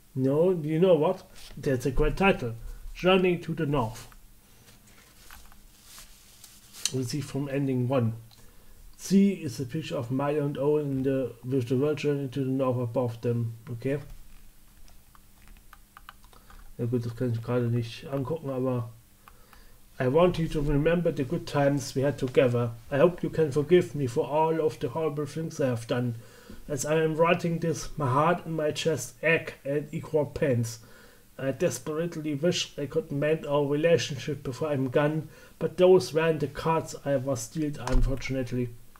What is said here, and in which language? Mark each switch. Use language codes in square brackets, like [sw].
[en] No, you know what? That's a great title. Journey to the North. We'll see from ending one. C is a picture of Maya and Owen in the, with the world journey to the north above them. Okay. [de] Na gut, das kann ich gerade nicht angucken, aber... [en] I want you to remember the good times we had together. I hope you can forgive me for all of the horrible things I have done. As I am writing this, my heart and my chest ache and equal pains. I desperately wish I could mend our relationship before I'm gone, but those weren't the cards I was dealt, unfortunately.